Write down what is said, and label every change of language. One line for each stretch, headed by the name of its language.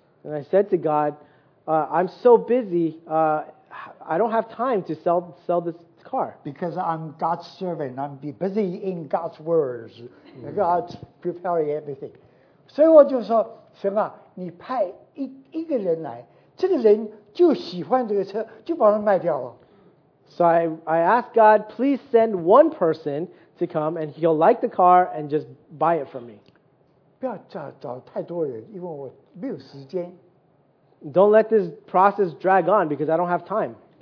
English: And I said to God, I'm so busy, I don't have time to sell this car. Because I'm God's servant, I'm busy in God's words, God's preparing everything.
Chinese: 所以我就说，神啊，你派一个人来，这个人就喜欢这个车，就把它卖掉了。
English: So I asked God, please send one person to come, and he'll like the car and just buy it from me.
Chinese: 不要找太多人，因为我没有时间。
English: Don't let this process drag on because I don't have time.